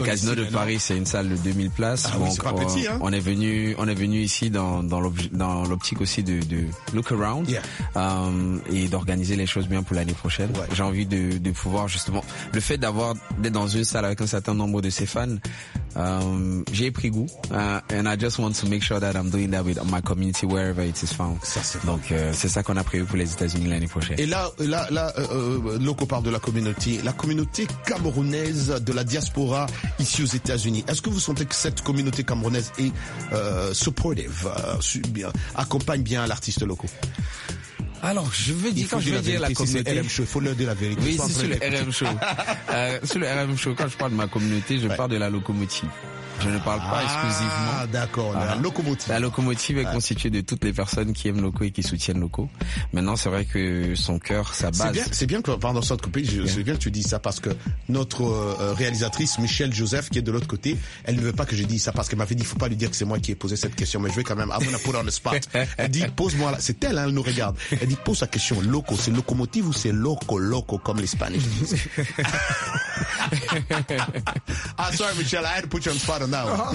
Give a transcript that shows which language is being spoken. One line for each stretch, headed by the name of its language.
French: le Casino de Paris, c'est une salle de 2000 places. Ah, donc, oui, c'est pas petit, hein. On est venu ici dans l'optique aussi de
English: look around. Yeah.
French: Et d'organiser les choses bien pour l'année prochaine. Ouais. J'ai envie de pouvoir justement le fait d'être dans une salle avec un certain nombre de ses fans. J'ai pris goût.
English: And I just want to make sure that I'm doing that with my community wherever it is found.
French: Ça, c'est donc c'est ça qu'on a prévu pour les États-Unis l'année prochaine. Et Loco parle de la communauté camerounaise de la diaspora ici aux États-Unis. Est-ce que vous sentez que cette communauté camerounaise est supportive, accompagne bien l'artiste Loco? Alors, je veux dire, quand je veux dire la communauté. RM Show, faut leur dire la vérité. Oui, c'est sur le RM Show. Sur le RM Show, quand je parle de ma communauté, je parle de la locomotive. Je ne parle pas exclusivement. Ah, d'accord. La locomotive. La locomotive est constituée de toutes les personnes qui aiment Loco et qui soutiennent Loco. Maintenant, c'est vrai que son cœur, sa base. C'est bien que tu dis ça parce que notre réalisatrice, Michelle Joseph, qui est de l'autre côté, elle ne veut pas que je dise ça parce qu'elle m'avait dit, il faut pas lui dire que c'est moi qui ai posé cette question, mais je vais quand même,
English: I'm gonna put on the spot.
French: Elle dit, pose-moi là. C'est elle, hein, elle nous regarde. Elle dit, pose la question, Loco, c'est locomotive ou c'est loco, comme l'espagnol?
English: Ah, sorry, Michelle, I had to put you on the spot.